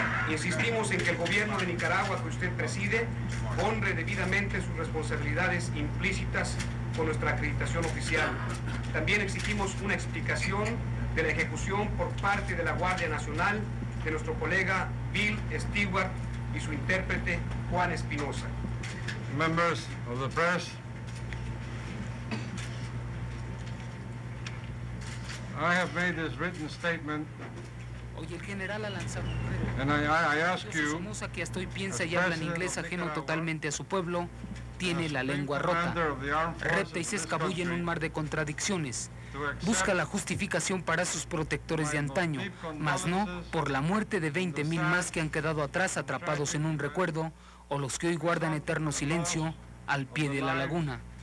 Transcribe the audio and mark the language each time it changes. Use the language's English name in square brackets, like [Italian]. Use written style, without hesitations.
[Spanish] Insistimos en que el gobierno de Nicaragua que usted preside honre debidamente sus responsabilidades implícitas con nuestra acreditación oficial. También exigimos una explicación de la ejecución por parte de la Guardia Nacional de nuestro colega Bill Stuart y su intérprete Juan Espinosa. [English] Members of the press, I have made this written statement. [Spanish] Oye, el general ha lanzado. [English] And I ask you, [Spanish] Somoza, que hasta hoy piensa y habla en inglés ajeno totalmente a su pueblo, tiene la lengua rota, repta y se escabulle en un mar de contradicciones. Busca la justificación para sus protectores de antaño, mas no por la muerte de 20,000 más que han quedado atrás atrapados en un recuerdo o los que hoy guardan eterno silencio al pie de la laguna.